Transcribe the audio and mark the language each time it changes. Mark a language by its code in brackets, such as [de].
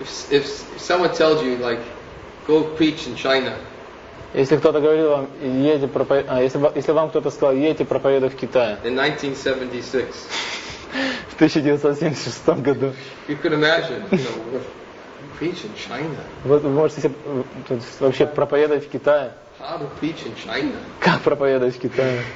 [en] If someone tells you, like, go preach in China. [ru] Если кто-то говорил вам, едьте проповедовать, если вам кто-то сказал, едьте проповедовать в Китае. [en] In 1976. [ru] В 1976 году. [en] You could imagine, you know, preach in China. [ru] Вот вы можете себе вообще проповедовать в Китае. [en] How to preach in China? [ru] Как проповедовать в Китае?